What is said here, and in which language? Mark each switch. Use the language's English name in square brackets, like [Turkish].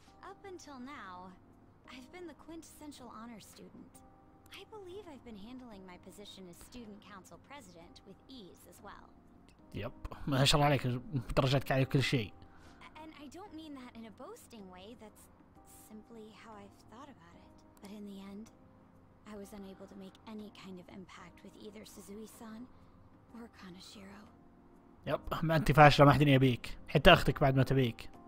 [English] Up until now, I've been the quintessential honor student. I believe I've been handling my position as student council president with ease as well. [Arabic] يب ما شاء الله عليك درجاتك عالية كل شيء. [English] And I don't mean that in a boasting way. That's simply how I've thought about it. But in the end, I was unable to make any kind of impact with either Suzui-san or Kanashiro. [Arabic] يب ما أنت فاشلة ما حد يبيك حتى أختك بعد ما تبيك.